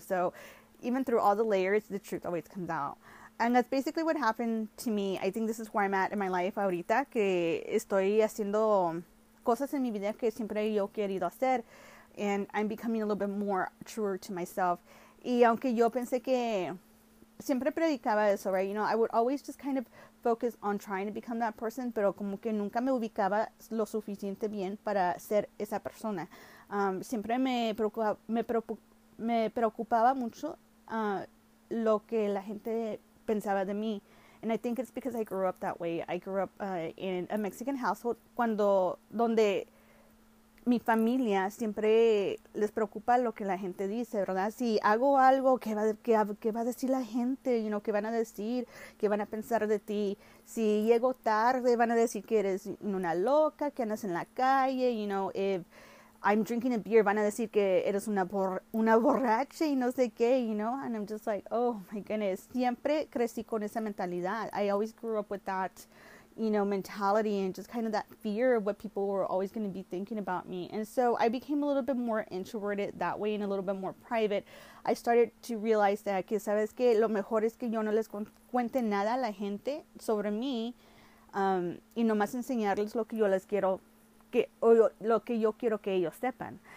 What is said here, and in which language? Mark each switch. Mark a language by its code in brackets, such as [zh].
[en] So even through all the layers, the truth always comes out. And that's basically what happened to me. I think this is where I'm at in my life [es] ahorita, que estoy haciendo cosas en mi vida que siempre yo he querido hacer. [en] And I'm becoming a little bit more truer to myself. [es] Y aunque yo pensé que siempre predicaba eso, right? [en] You know, I would always just kind of focus on trying to become that person, [es] pero como que nunca me ubicaba lo suficiente bien para ser esa persona. Siempre me preocupaba mucho lo que la gente pensaba de mí. [en] And I think it's because I grew up that way. I grew up in a Mexican household [es] donde mi familia siempre les preocupa lo que la gente dice, ¿verdad? Si hago algo, ¿qué va a decir la gente? You know, ¿qué van a decir? ¿Qué van a pensar de ti? Si llego tarde, van a decir que eres una loca, que andas en la calle, [en] you know, if I'm drinking a beer, [es] van a decir que eres una borracha y no sé qué, you know? [en] And I'm just like, oh my goodness. [es] Siempre crecí con esa mentalidad. [en] I always grew up with that, you know, mentality and just kind of that fear of what people were always going to be thinking about me. And so I became a little bit more introverted that way and a little bit more private. I started to realize that, [es] que sabes que lo mejor es que yo no les cuente nada a la gente sobre mí, y nomás enseñarles lo que yo les quiero lo que yo quiero que ellos sepan.